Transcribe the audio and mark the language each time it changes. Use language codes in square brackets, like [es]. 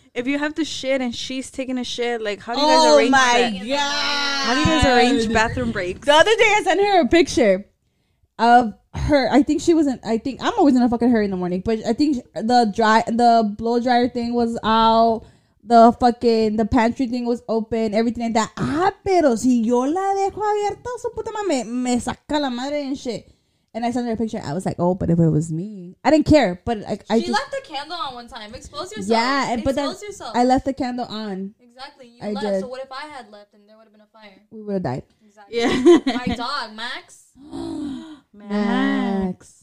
[en] If you have to shit and she's taking a shit, like, how do you guys arrange that? Oh, my God. How do you guys arrange bathroom breaks? The other day, I sent her a picture of her. I'm always in a fucking hurry in the morning. But I think the blow dryer thing was out. The pantry thing was open. Everything like that. [es] Ah, pero si yo la dejo abierta, su puta madre, me saca la madre [en] and shit. And I sent her a picture. I was like, oh, but if it was me. I didn't care. But she left the candle on one time. Expose yourself. Yeah. I left the candle on. Exactly. I did. So what if I had left and there would have been a fire? We would have died. Exactly. Yeah. My dog, Max. Max.